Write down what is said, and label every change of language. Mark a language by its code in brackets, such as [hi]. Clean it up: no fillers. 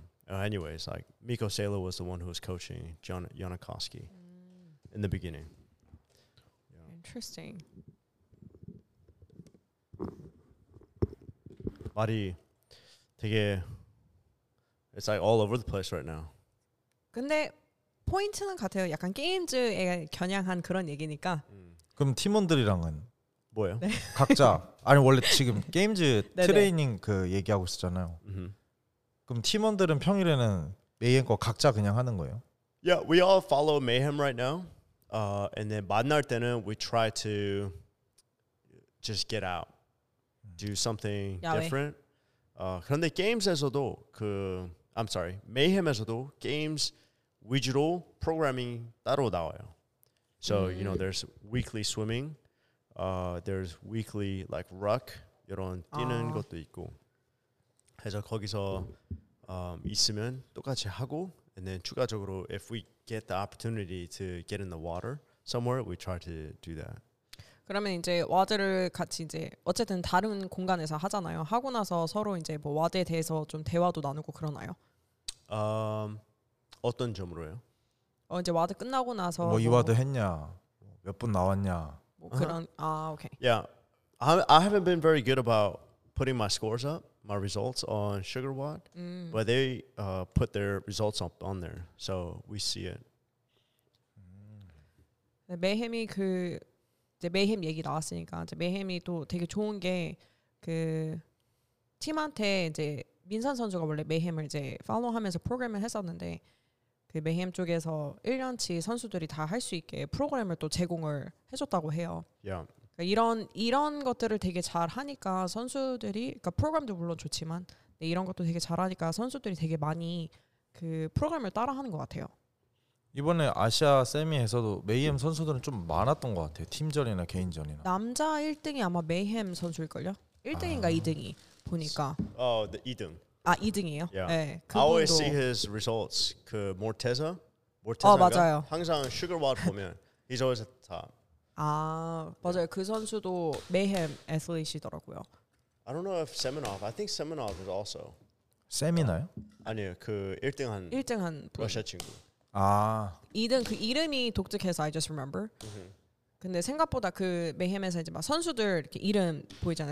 [en] Anyways, like Mikko Salo was the one who was coaching John Unikowski in the beginning. Yeah. Interesting. [ko] 말이 되게 [en] it's like all over the place right now. [ko] 근데 포인트는 같아요. 약간 게임즈에 겨냥한 그런 얘기니까. 그럼 팀원들이랑은 뭐예요? 네. 각자 아니 원래 지금 게임즈 트레이닝 그 얘기하고 있었잖아요. 그럼 팀원들은 평일에는 메이헴 거 각자 그냥 하는 거예요? [en] Yeah, we all follow Mayhem right now. And then [ko] 만날 때는 [en] we try to just get out. Do something different. [ko] 그런데 게임즈에서도 그 [en] I'm sorry, [ko] Mayhem에서도 게임즈 위주로 프로그래밍 따로 나와요. [en] So you know, there's weekly swimming. There's weekly like ruck [ko] 이런 뛰는 아. 것도 있고. 그래서 거기서 있으면 똑같이 하고, [en] and then [ko] 추가적으로 [en] if we get the opportunity to get in the water somewhere, we try to do that. [ko] 그러면 이제 와드를 같이 이제 어쨌든 다른 공간에서 하잖아요. 하고 나서 서로 이제 뭐 와드에 대해서 좀 대화도 나누고 그러나요? 어떤 점으로요? 이제 와드 끝나고 나서 뭐 이 와드 했냐? 몇 분 나왔냐? 뭐 그런 uh-huh. 아, 오케이. [en] Yeah. I haven't been very good about putting my scores up, my results on SugarWatt. But they put their results up on there. So we see it. [ko] 네, 메헴이 그 이제 메헴 얘기 나왔으니까 이제 메헴이 또 되게 좋은 게 그 팀한테 이제 민선 선수가 원래 메헴을 이제 팔로우하면서 프로그램을 했었는데 그 메헴 쪽에서 1년치 선수들이 다 할 수 있게 프로그램을 또 제공을 해줬다고 해요. [en] Yeah. [ko] 이런 것들을 되게 잘 하니까 선수들이 그러니까 프로그램도 물론 좋지만 이런 것도 되게 잘 하니까 선수들이 되게 많이 그 프로그램을 따라하는 것 같아요. 이번에 아시아 세미에서도 메이헴 선수들은 좀 많았던 것 같아요. 팀전이나 개인전이나. 남자 1등이 아마 메이헴 선수일걸요? 1등인가 아. 2등이 보니까. 2등. 아 2등이에요? [en] Yeah. [ko] 네. 그분도. [en] I always see his results. [ko] 그 Morteza? Morteza가 맞아요. 항상 SugarWatt 보면 [en] he's always at the top. [ko] 아 맞아요. 그 선수도 메이헴 애슬릿이더라고요. [en] I don't know if Semenov. I think Semenov is also. [ko] 세미나요? 아니요. 그 1등한. 1등한 러시아 친구. 아. 2등 그 이름이 독특해서 [en] I just remember. [ko] 근데 생각보다 그 메헴에서 이제 막 선수들 이렇게 이름 보이잖아.